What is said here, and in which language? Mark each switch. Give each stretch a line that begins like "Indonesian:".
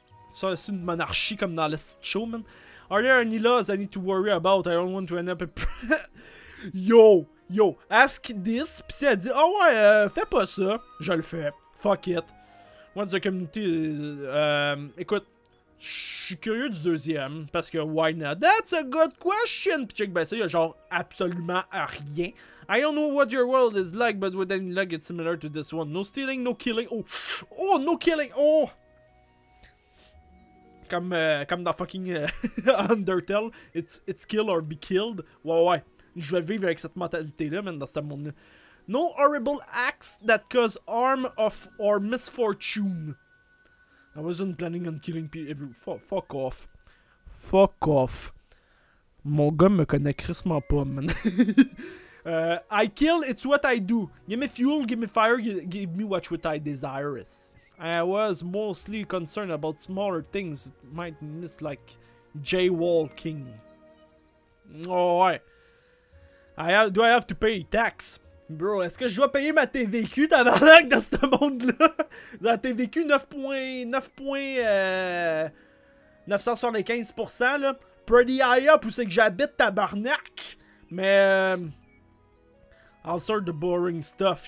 French: Ça, c'est une monarchie comme dans le show, man.
English: Are there any laws I need to worry about? I don't want to end up in... Yo, ask this.
French: Pis si elle dit, oh ouais, fais pas ça. Je le fais.
English: Fuck it. What's the community? Écoute.
French: Je suis curieux du deuxième, parce que
English: why not? That's a good question!
French: Pis check, ben ça, y'a genre absolument rien.
English: I don't know what your world is like, but with any luck, it's similar to this one. No stealing, no killing. Oh! Oh, no killing! Oh!
French: Comme dans fucking Undertale,
English: it's kill or be killed.
French: Ouais, ouais. Je vais vivre avec cette mentalité-là, même dans ce monde-là.
English: No horrible acts that cause harm of or misfortune. I wasn't planning on killing people. Fuck off. Fuck off.
French: Mon gars me connaît crissement pas, man.
English: I kill, it's what I do. Give me fuel, give me fire, give me what I desire. I was mostly concerned about smaller things that might miss, like jaywalking. Oh, ouais. Do I have to pay tax?
French: Bro, est-ce que je dois payer ma TVQ, ta valeur, dans ce monde-là? La TVQ, 9.975%, là.
English: Pretty high up,
French: où c'est que j'habite, tabarnak?
English: Mais, I'll start the boring stuff.